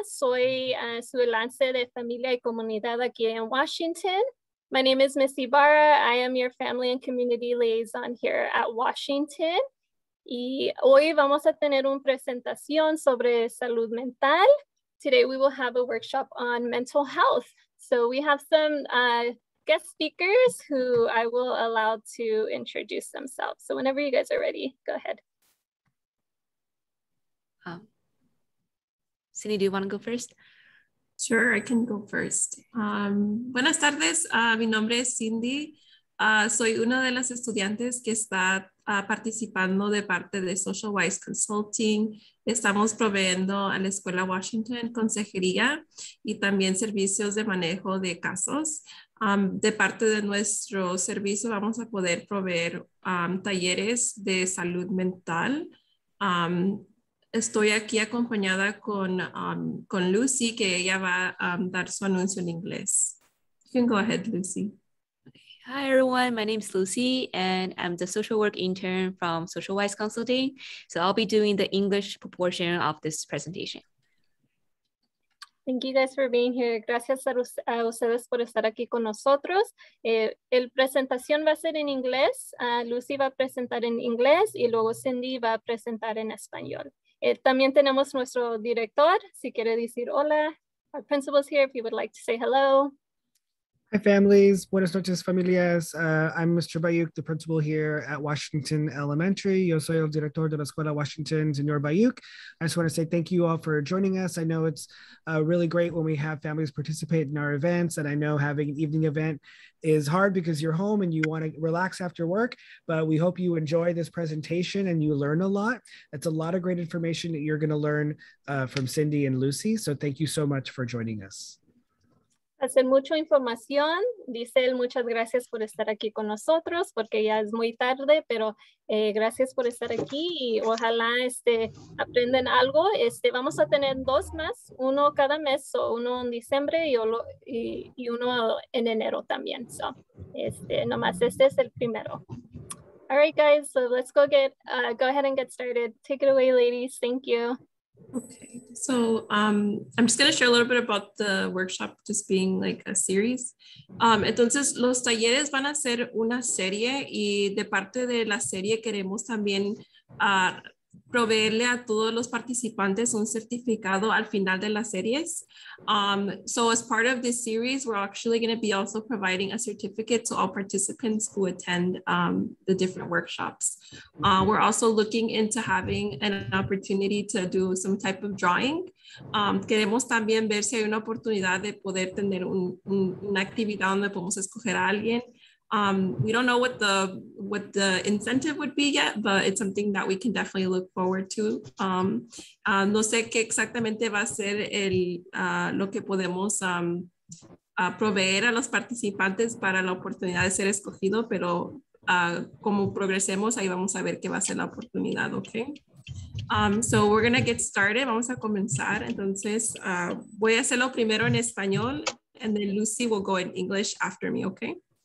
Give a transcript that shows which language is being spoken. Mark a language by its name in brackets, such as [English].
[Spanish] Soy su enlace de familia y comunidad aquí en Washington. [English] My name is Missy Barra. I am your family and community liaison here at Washington. [Spanish] Y hoy vamos a tener una presentación sobre salud mental. [English] Today we will have a workshop on mental health. So we have some guest speakers who I will allow to introduce themselves. So whenever you guys are ready, go ahead. Cindy, do you want to go first? Sure, I can go first. [Spanish] Buenas tardes, mi nombre es Cindy. Soy una de las estudiantes que está participando de parte de Social Wise Consulting. Estamos proveyendo a la Escuela Washington consejería y también servicios de manejo de casos. De parte de nuestro servicio vamos a poder proveer talleres de salud mental. Estoy aquí acompañada con Lucy, que ella va a dar su anuncio en inglés. [English] You can go ahead, Lucy. Hi, everyone. My name is Lucy, and I'm the social work intern from Social Wise Consulting. So I'll be doing the English portion of this presentation. Thank you guys for being here. [Spanish] Gracias a ustedes por estar aquí con nosotros. El presentación va a ser en inglés. Lucy va a presentar en inglés y luego Cindy va a presentar en español. También tenemos nuestro director, si quiere decir hola. [English] Our principal's here, if you would like to say hello. Hi, families. [Spanish] Buenas noches, familias. [English] I'm Mr. Bayouk, the principal here at Washington Elementary. [Spanish] Yo soy el director de la Escuela Washington, Señor Bayouk. [English] I just want to say thank you all for joining us. I know it's really great when we have families participate in our events, and I know having an evening event is hard because you're home and you want to relax after work, but we hope you enjoy this presentation and you learn a lot. That's a lot of great information that you're going to learn from Cindy and Lucy. So thank you so much for joining us. [Spanish] Hacen mucha información, dice él, muchas gracias por estar aquí con nosotros, porque ya es muy tarde, pero gracias por estar aquí y ojalá aprendan algo. Vamos a tener dos más, uno cada mes, so uno en diciembre y uno en enero también. So, nomás este es el primero. [English] All right, guys, so let's go ahead and get started. Take it away, ladies. Thank you. Okay, so I'm just going to share a little bit about the workshop, just being like a series. [Spanish] Entonces, los talleres van a ser una serie, y de parte de la serie queremos también proveerle a todos los participantes un certificado al final de las series. [English] So as part of this series, we're actually going to be also providing a certificate to all participants who attend the different workshops. We're also looking into having an opportunity to do some type of drawing. [Spanish] Queremos también ver si hay una oportunidad de poder tener una actividad donde podemos escoger a alguien. [English] We don't know what the incentive would be yet, but it's something that we can definitely look forward to. [Spanish] No sé qué exactamente va a ser lo que podemos proveer a los participantes para la oportunidad de ser escogido, pero como progresemos, ahí vamos a ver qué va a ser la oportunidad, okay? [English] So we're gonna get started. [Spanish] Vamos a comenzar. Entonces, voy a hacerlo primero en español, [English] and then Lucy will go in English after me, okay?